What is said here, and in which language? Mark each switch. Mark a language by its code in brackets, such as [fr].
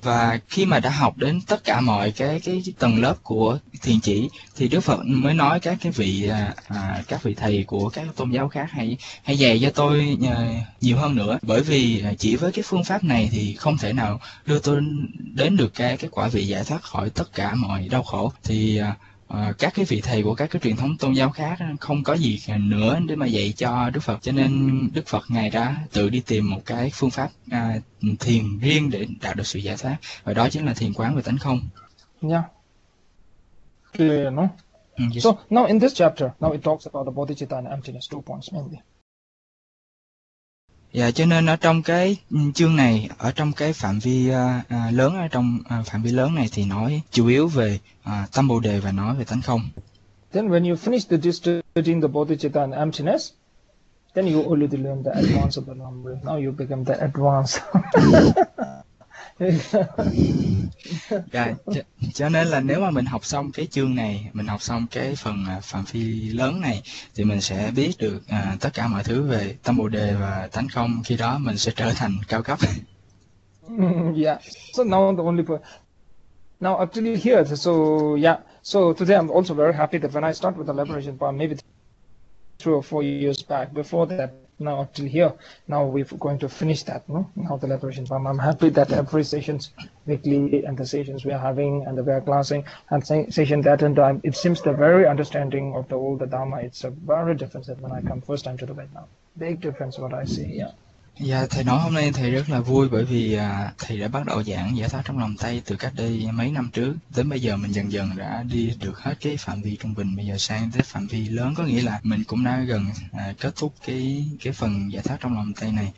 [vi] Và khi mà đã học đến tất cả mọi cái tầng lớp của thiền chỉ thì Đức Phật mới nói các vị thầy của các tôn giáo khác hãy dạy cho tôi nhiều hơn nữa, bởi vì chỉ với cái phương pháp này thì không thể nào đưa tôi đến được cái quả vị giải thoát khỏi tất cả mọi đau khổ. Thì các cái vị thầy của các cái truyền thống tôn giáo khác không có gì nữa để mà dạy cho Đức Phật, cho nên Đức Phật ngài đã tự đi tìm một cái phương pháp thiền riêng để đạt được sự giải thoát, và đó chính là thiền quán về tánh không. [en] Yeah. Clear, no? Yes. So now in this chapter, now it talks about the bodhicitta and emptiness, two points mainly. [vi] Dạ, cho nên ở trong cái chương này, ở trong cái phạm vi lớn, ở trong phạm vi lớn này thì nói chủ yếu về tâm bồ đề và nói về tánh không. [en] Then when you finish the studying the bodhicitta and emptiness, then you already learn the advance of the number. Now you become the [vi] Dạ, [en] advance. [vi] cho nên là nếu mà mình học xong cái chương này, mình học xong cái phần phạm vi lớn này, thì mình sẽ biết được tất cả mọi thứ về tâm bồ đề và tánh không, khi đó mình sẽ trở thành cao cấp. [en] Yeah. So now the only point. Now actually here. So yeah. So today I'm also very happy that when I start with the liberation path, maybe 3 or 4 years back, before that. Now actually here. Now we're going to finish that. No? Now the liberation path. I'm happy that every sessions weekly and the sessions we are having and the we are classing and session that and time. It seems the very understanding of the all the Dharma. It's a very different than when I come first time to the Vietnam. Big difference what I see. Yeah. [vi] Dạ, thầy nói hôm nay thầy rất là vui, bởi vì thầy đã bắt đầu giảng giải thoát trong lòng tay từ cách đây mấy năm trước. Đến bây giờ mình dần dần đã đi được hết cái phạm vi trung bình, bây giờ sang tới phạm vi lớn, có nghĩa là mình cũng đã gần kết thúc cái phần giải thoát trong lòng tay này.